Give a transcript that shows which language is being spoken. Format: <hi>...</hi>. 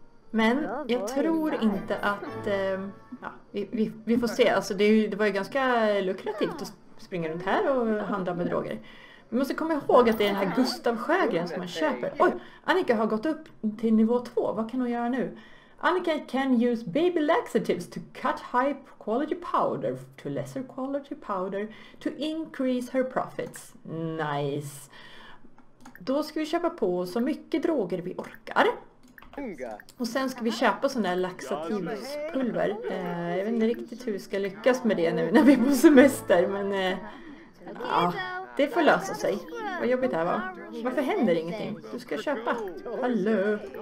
<sv>Men jag tror inte att ja, vi får se. Alltså, det var ju ganska lukrativt att springa runt här och handla med droger. Vi måste komma ihåg att det är den här Gustav Sjögren som man köper. Oj, Annika har gått upp till nivå 2. Vad kan hon göra nu?</sv> <en>Annika can use baby laxatives to cut high quality powder to lesser quality powder to increase her profits.</en> <sv>Nice. Då ska vi köpa på så mycket droger vi orkar. Och sen ska vi köpa sådana här laxativspulver. Jag vet inte riktigt hur vi ska lyckas med det nu när vi är på semester. Men ja, det får lösa sig. Vad jobbigt det här var. Varför händer ingenting? Du ska köpa. Hallå.</sv>